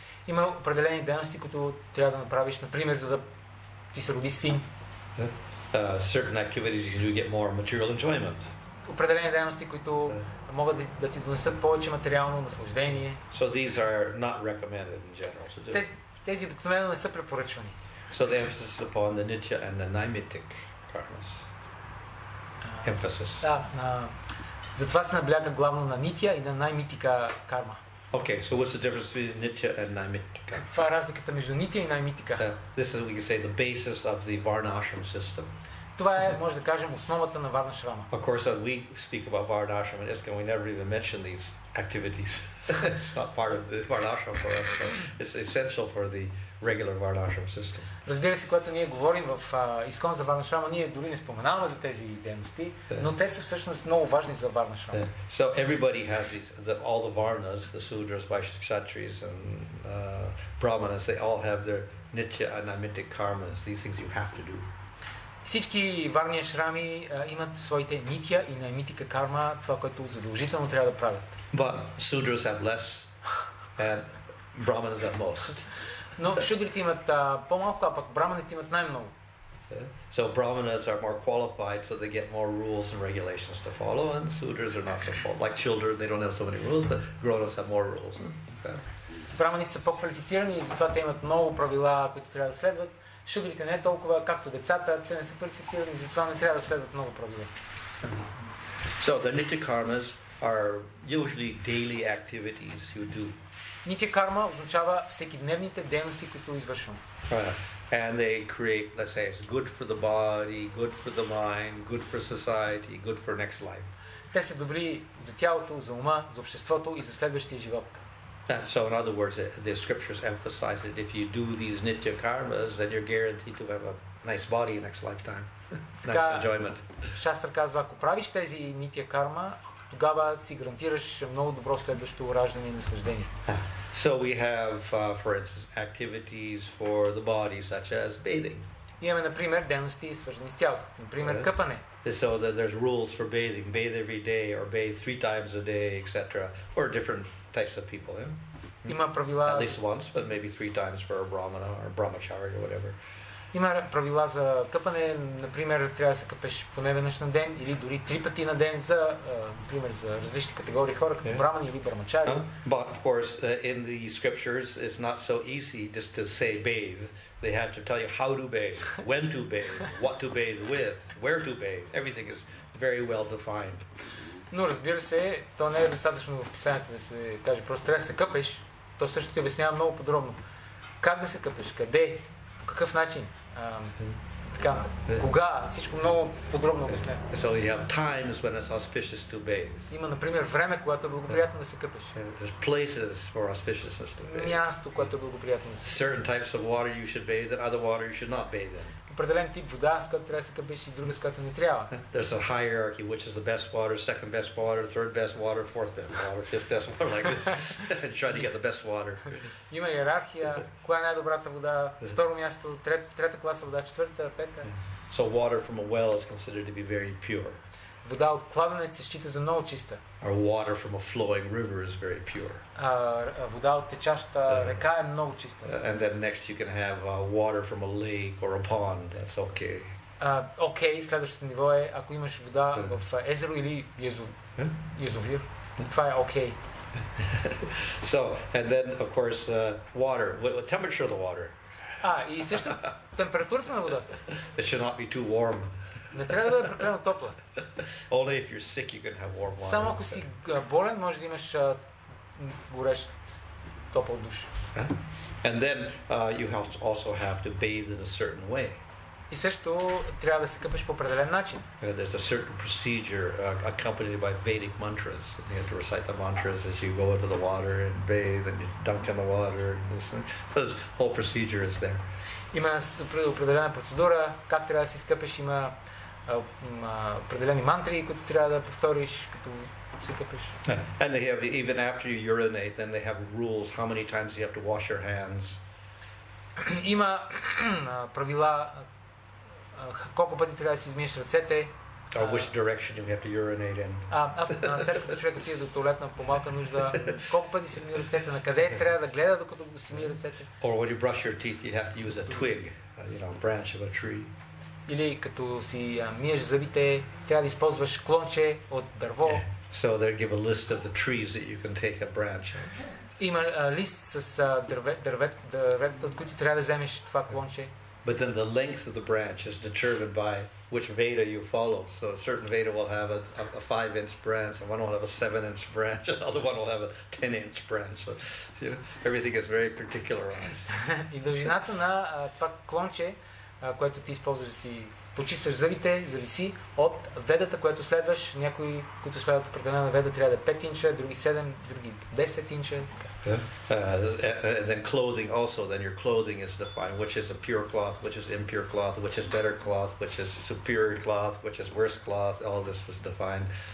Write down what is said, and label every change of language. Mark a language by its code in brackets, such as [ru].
[bg] Има определени дейности, които трябва да направиш, например, за да ти се роди син. [en] Certain activities you do get more material enjoyment. [bg] Определени дейности, които могат да ти донесат повече материално наслаждение. [en] So these are not recommended in general. So [bg] тези обикновено не са препоръчвани. [en] So the emphasis is upon the nitya and the naimittik karmas. Emphasis. [bg] Затова се набляга главно на нитя и на наймитика карма. [en] Okay, so what's the difference between nitya and naimittika? [bg] Каква е разликата между нитя и наймитика? [en] This is, we can say, the basis of the varnashram system. [bg] Това е, може да кажем, основата на варнашрама. [en] Of course, we speak about varnashram and iskan, we never even mention these activities. It's not part of the varnashram for us, but it's essential for the regular varnashram system. [bg] Разбира се, когато ние говорим в искон за варнашрама, ние дори не споменаваме за тези дейности, но те са всъщност много важни за варнашрама. [en] So everybody has these, all the varnas, the sudras, vaishya, kshatriyas and brahmanas, they all have their nitya and naimittika karmas, these things you have to do. [bg] Всички варния шрами имат своите нитя и наймитика карма, това което задължително трябва да правят. [en] But sudras have less and brahmanas have most. [bg] Но шудрите имат по-малко, а пък браманите имат най-много. [en] So brahmanas are more qualified, so they get more rules and regulations to follow, and sudras are not so qualified. Like children, they don't have so many rules, but grown-ups have more rules. [bg] Браманите са по-квалифицирани, затова те имат много правила, които трябва да следват. Шудрите не толкова, както децата, те не са квалифицирани, затова не трябва да следват много правила. [en] So the nitya karmas are usually daily activities you do. [bg] Нитя карма означава всекидневните дейности, които извършвам. [en] And they create, let's say, it's good for the body, good for the mind, good for society, good for next life. [bg] Те са добри за тялото, за ума, за обществото и за следващия живот. [en] So in other words, the scriptures emphasize that if you do these nitya karmas, then you're guaranteed to have a nice body next lifetime. Nice enjoyment. [bg] Шастра казва, ако правиш тези нитя карма, тогава си гарантираш много добро следващо раждане и наслаждение. [en] So we have, for instance, activities for the body, such as bathing. [bg] Имаме, например, дейности, свързани с тялото. Например, къпане. [en] So that there's rules for bathing. Bathe every day or bathe three times a day, etc. For different types of people. Yeah? [bg] Има правила. [en] At least once, but maybe three times for a brahmana or a brahmachari or whatever. [bg] Има правила за къпане, например, трябва да се къпеш поне веднъж на ден или дори три пъти на ден за, например, за различни категории хора, като брамани или брамачари. [en] But of course, in the scriptures, it's not so easy just to say bathe. They have to tell you how to bathe, when to bathe, what to bathe with, where to bathe. Everything is very well defined. [bg] Но разбира се, то не е достатъчно в писанието да се каже, просто трябва да се къпеш. То също ти обяснява много подробно. Как да се къпеш, къде? Какъв начин? Така, кога? Всичко много подробно обяснено. [en] So you have times when it's auspicious to bathe. [bg] Има, например, време, когато е благоприятно да се къпеш. [en] There's places for auspiciousness to bathe. [bg] Място, което е благоприятно да се къпеш. [en] Certain types of water you should bathe, and other water you should not bathe in. [bg] Определен тип вода, с която трябва да се къпеш и друга, с която не трябва. [en] There's a hierarchy, which is the best water, second best water, third best water, fourth best water, fifth best water, like this. Trying to get the best water. [bg] Има йерархия, коя е най-добрата вода, второ място, трета класа вода, четвърта, пета. [en] So water from a well is considered to be very pure. [bg] Вода от кладенец се счита за много чиста. [en] Or water from a flowing river is very pure. [bg] Вода от течаща река е много чиста. [en] And then next you can have water from a lake or a pond. That's okay. [bg] Okay, следващото ниво е ако имаш вода в езеро или язовир. Това е okay. [en] So, and then of course water. What temperature of the water? [bg] И също температурата на водата. [en] It should not be too warm. [bg] Не трябва да е прекалено топла. [en] Only if you're sick you can have warm water. [bg] Само ако си болен може да имаш горещ топъл душ. [en] And then you have to also have to bathe in a certain way. [bg] И също трябва да се къпеш по определен начин. [en] There's a certain procedure accompanied by Vedic mantras. You have to recite the mantras as you go into the water and bathe and you dunk in the water. This whole procedure is there. [bg] Има определена процедура как трябва да се изкъпеш, има определени мантри, които трябва да повториш, като се къпеш. [en] And they have, even after you urinate, then they have rules how many times you have to wash your hands. [bg] Има правила колко пъти трябва да си измиеш ръцете. [en] Or which direction you have to urinate in. [bg] След като човек отиде до туалетна, по-малка нужда, колко пъти си мие ръцете, на къде трябва да гледа, докато си мие ръцете. [en] Or when you brush your teeth, you have to use a twig, branch of a tree. [bg] Или като си миеш зъбите, трябва да използваш клонче от дърво. [en] So they give a list of the trees that you can take a branch. [bg] Има лист с дървета, от които трябва да вземеш това клонче. [en] But then the length of the branch is determined by which Veda you follow. So a certain Veda will have a 5-inch branch, and one will have a 7-inch branch, and another one will have a 10-inch branch. So everything is very particularized. [bg] И дължината на това клонче, което ти използваш да си почистваш зъбите, зависи от ведата, която следваш. Някои, които следват определена веда, трябва да е 5 инча, други 7, други 10 инча. [en] And then clothing also, then your clothing is defined, which is a pure cloth, which is impure cloth, which is better cloth, which is superior cloth, which is worse cloth, all this is defined.